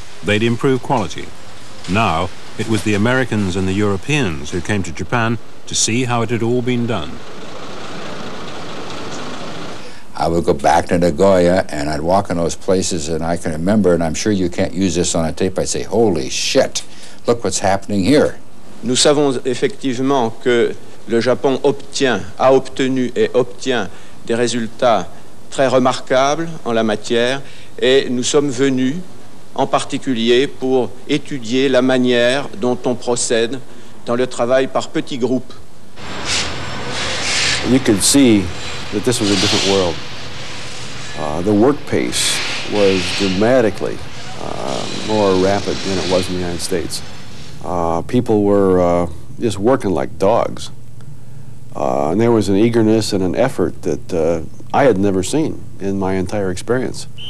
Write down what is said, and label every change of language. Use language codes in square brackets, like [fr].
[en] They'd improve quality. Now, it was the Americans and the Europeans who came to Japan to see how it had all been done. I would go back to Nagoya and I'd walk in those places and I can remember, and I'm sure you can't use this on a tape, I'd say, holy shit, look what's happening here. [fr] Nous savons effectivement que le Japon obtient, a obtenu et obtient des résultats très remarquables en la matière, et nous sommes venus en particulier pour étudier la manière dont on procède dans le travail par petits groupes. [en] You could see that this was a different world. The work pace was dramatically more rapid than it was in the United States. People were just working like dogs. And there was an eagerness and an effort that I had never seen in my entire experience.